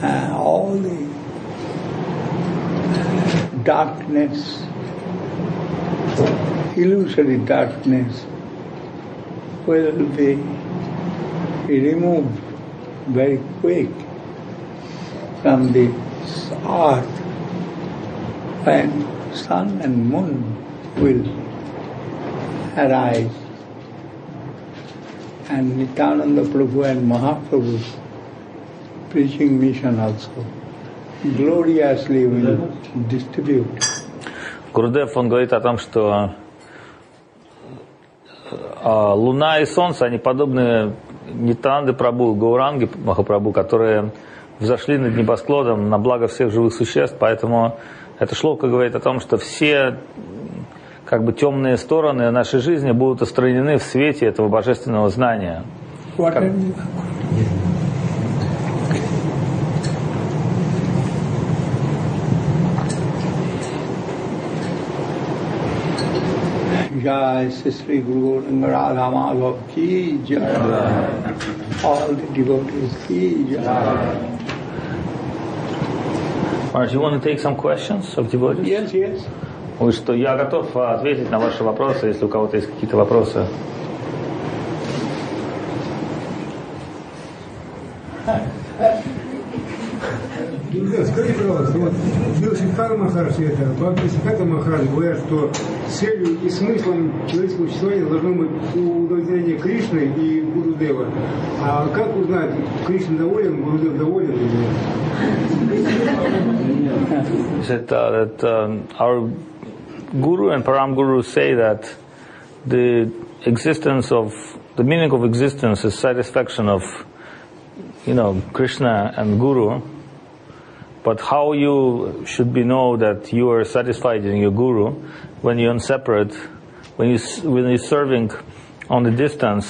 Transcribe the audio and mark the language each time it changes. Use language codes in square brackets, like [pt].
[en] All the darkness, illusory darkness, will be removed very quick from the earth when sun and moon will arise, and Nityananda Prabhu and Mahaprabhu preaching mission also. Gloriously will distribute. [ru] Гурудев, он говорит о том, что луна и солнце, они подобны Нитянанде Прабху, Гауранге Махапрабху, которые взошли над небосклоном на благо всех живых существ, поэтому эта шлока говорит о том, что все как бы темные стороны нашей жизни будут устранены в свете этого божественного знания. [hi] Jai Sri Guru Gauranga Radha Madhava ki jai. [en] All the devotees [hi] ki jai. [en] Maharaj, you want to take some questions of devotees? Yes, yes. [ru] Вы что, я готов ответить на ваши вопросы, если у кого-то есть какие-то вопросы. Скажите, пожалуйста, вот Бхактисиддханта Махарадж, говорят, что целью и смыслом человеческого существования должно быть удовлетворение Кришны и Гурудева. А как узнать, Кришна доволен, Гурудев доволен или нет? Это [en] our guru and param guru say that the existence of the meaning of existence is satisfaction of, you know, Krishna and guru. But how you should be know that you are satisfied in your guru when you're separate, when you're serving on the distance?